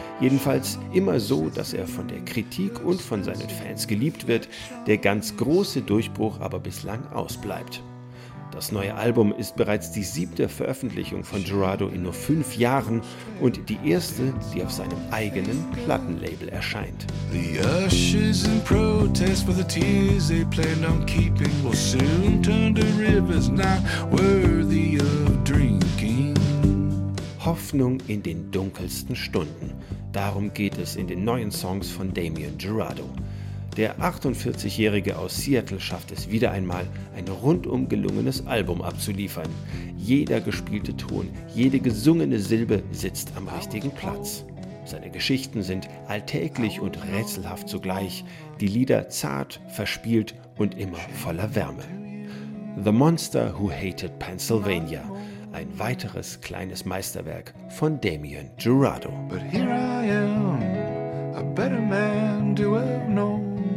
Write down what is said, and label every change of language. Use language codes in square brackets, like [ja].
[de] Jedenfalls immer so, dass er von der Kritik und von seinen Fans geliebt wird, der ganz große Durchbruch aber bislang ausbleibt. Das neue Album ist bereits die 7. Veröffentlichung von Jurado in nur 5 Jahren und die erste, die auf seinem eigenen Plattenlabel erscheint. [en] The ashes in protest for the tears they planned on keeping will soon turn to rivers not worthy of drinking. [de] Hoffnung in den dunkelsten Stunden. Darum geht es in den neuen Songs von Damien Jurado. Der 48-Jährige aus Seattle schafft es wieder einmal, ein rundum gelungenes Album abzuliefern. Jeder gespielte Ton, jede gesungene Silbe sitzt am richtigen Platz. Seine Geschichten sind alltäglich und rätselhaft zugleich, die Lieder zart, verspielt und immer voller Wärme. The Monster Who Hated Pennsylvania, ein weiteres kleines Meisterwerk von Damien Jurado. [en] But here I am, a better man to have known.